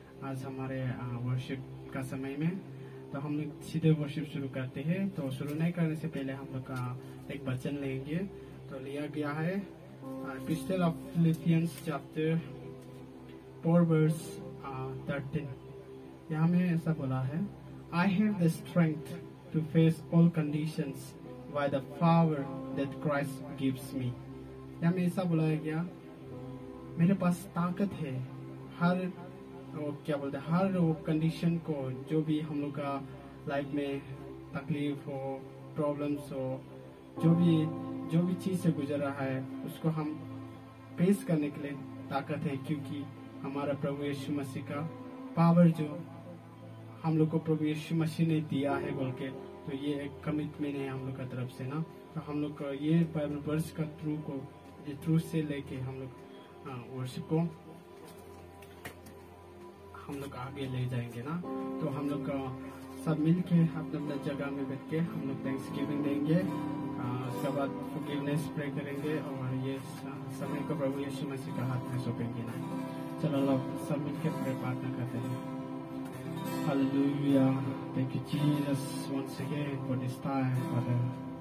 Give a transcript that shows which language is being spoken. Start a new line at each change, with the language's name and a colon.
Hindi: आज हमारे वर्शिप का समय में तो हम सीधे वर्शिप शुरू करते हैं। तो शुरू नहीं करने से पहले हम लोग का एक वचन लेंगे। तो लिया गया है epistle of Philippians chapter 4 verse 13।
English: यहाँ में ऐसा बोला है, I have the strength to face all conditions by the power that Christ gives me।
Hindi: या मैं ऐसा बुलाया गया, मेरे पास ताकत है हर वो क्या बोलते हर वो कंडीशन को, जो भी हम लोग का लाइफ में तकलीफ हो, प्रॉब्लम्स हो, जो भी चीज से गुजर रहा है उसको हम फेस करने के लिए ताकत है, क्योंकि हमारा प्रभु यीशु मसीह का पावर जो हम लोग को प्रभु यीशु मसीह ने दिया है बोल के। तो ये एक कमिटमेंट है हम लोग का तरफ से ना। तो हम लोग ये बाइबल वर्स का थ्रू को ये थ्रू से लेके हम लोग वर्शिप को हम लोग आगे ले जाएंगे ना। तो हम लोग सब मिलके अपने अपने जगह में बैठ के हम लोग थैंक्स गिविंग देंगे, उसके बाद फॉरगिवनेस प्रे करेंगे और ये समय को प्रभु यीशु मसीह का हाथ में सौंपेंगे ना। चलो लोग सब मिलके प्रे प्रार्थना करते हैं।
English: Hallelujah, thank you Jesus once again for this time, Father.